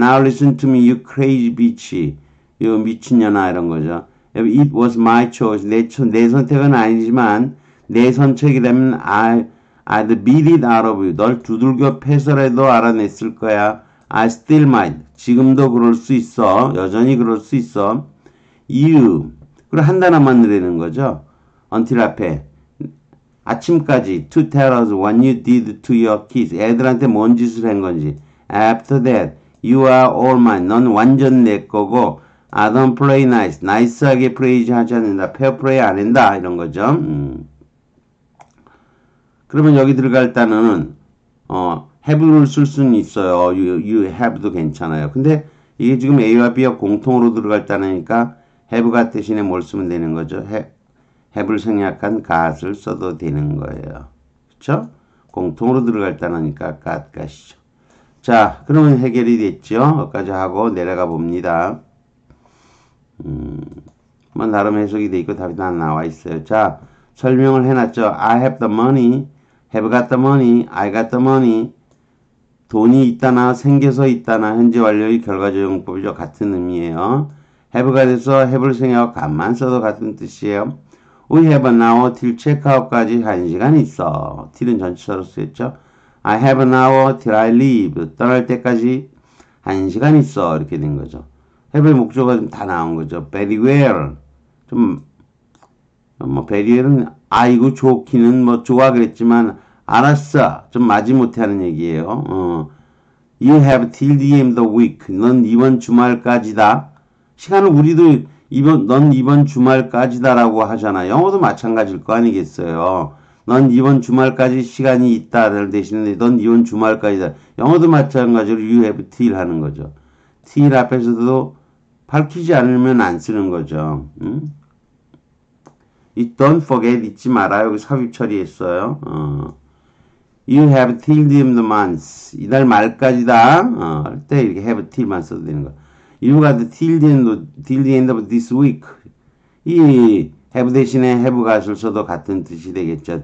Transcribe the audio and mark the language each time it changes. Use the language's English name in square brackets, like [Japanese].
[English] Now listen to me, you crazy bitch. [Korean] 이 미친년아. 이런 거죠. [English] It was my choice. [Korean] 내 선택은 아니지만, 내 선택이라면, [English] I'd beat it out of you. [Korean] 널 두들겨 패서라도 알아냈을 거야. [English] I still might. [Korean] 지금도 그럴 수 있어. 여전히 그럴 수 있어. You. 그리고 한 단어만 늘리는 거죠. until 앞에. 아침까지. [English] to tell us what you did to your kids. [Korean] 애들한테 뭔 짓을 한 건지. [English] after that, you are all mine. [Korean] 넌 완전 내 거고. [English] I don't play nice. [Korean] 나이스하게 플레이 하지 않는다. 페어플레이 안 한다. 이런 거죠. 그러면 여기 들어갈 단어는 have를 쓸 수는 있어요. You have도 괜찮아요. 근데 이게 지금 A와 B가 공통으로 들어갈 단어니까 have가 대신에 뭘 쓰면 되는 거죠? have을 생략한 got을 써도 되는 거예요. 그렇죠? 공통으로 들어갈 단어니까 got 가시죠. 자, 그러면 해결이 됐죠? 여기까지 하고 내려가 봅니다. 뭐 나름 해석이 돼 있고 답이 다 나와 있어요. 자, 설명을 해놨죠. [English] I have the money, have got the money, I got the money. [Korean] 돈이 있다나 생겨서 있다나 현재 완료의 결과적용법이죠. 같은 의미예요. have가 돼서 have을 생략하고 got만 써도 같은 뜻이에요. [English] We have an hour till checkout까지 [Korean] 1시간 있어. till은 전치사로 쓰였죠. [English] I have an hour till I leave. [Korean] 떠날 때까지 1시간 있어. 이렇게 된 거죠. have의 목적은 다 나온 거죠. [English] very well. [Korean] 좀, 뭐, very well은, 아이고, 좋기는, 뭐, 좋아 그랬지만, 알았어. 좀 마지못해 하는 얘기예요. [English] You have till the end of the week. [Korean] 넌 이번 주말까지다. 시간을 우리도 넌 이번 주말까지다라고 하잖아. 영어도 마찬가지일 거 아니겠어요. 넌 이번 주말까지 시간이 있다를 대신에 넌 이번 주말까지다. 영어도 마찬가지로 you have till 하는 거죠. till 앞에서도 밝히지 않으면 안 쓰는 거죠. 응? [English] Don't forget, [Korean] 잊지 말아요. 여기 삽입 처리했어요. [English] You have till the end of the month. [Korean] 이달 말까지다. 때 이렇게 have till만 써도 되는 거. [English] You got till the end of this week. [Korean] 이 have 대신에 have got을 써도 같은 뜻이 되겠죠.